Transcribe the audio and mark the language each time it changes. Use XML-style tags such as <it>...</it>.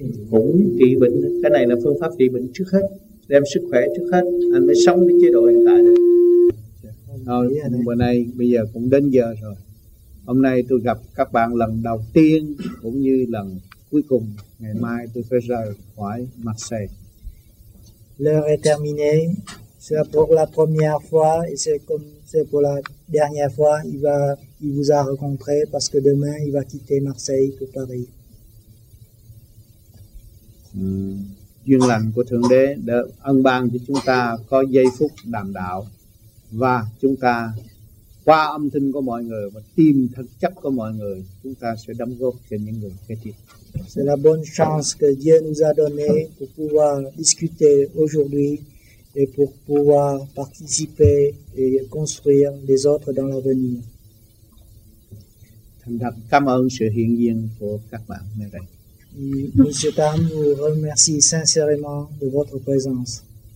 <vi>Cũng trị bệnh, cái này là phương pháp trị bệnh trước hết, đem sức khỏe trước hết, anh mới sống với chế độ hiện tại được. Thôi, bữa nay bây giờ cũng đến giờ rồi. Hôm nay tôi gặp các bạn lần đầu tiên cũng như lần cuối cùng. Ngày mai tôi phải rời khỏi mặt sài.</vi> <fr>L'heure est terminée. C'est pour la première fois et c'est pour la dernière fois. Il vous a rencontré parce que demain il va quitter Marseille pour Paris.</fr> <vi>Duyên lành của Thượng Đế đã ân ban cho chúng ta có giây phút đàm đạo. Và chúng ta qua âm thanh của mọi người và tìm thực chất của mọi người, chúng ta sẽ đóng góp cho những người kế tiếp.</vi> <fr>C'est la bonne chance que Dieu nous a donnée pour pouvoir discuter aujourd'hui et pour pouvoir participer et construire les autres dans l'avenir.</fr> <vi>Thành thật cảm ơn sự hiện diện của các bạn nơi đây.</vi> <fr>Monsieur Tam, nous remercie sincèrement de votre présence.</fr>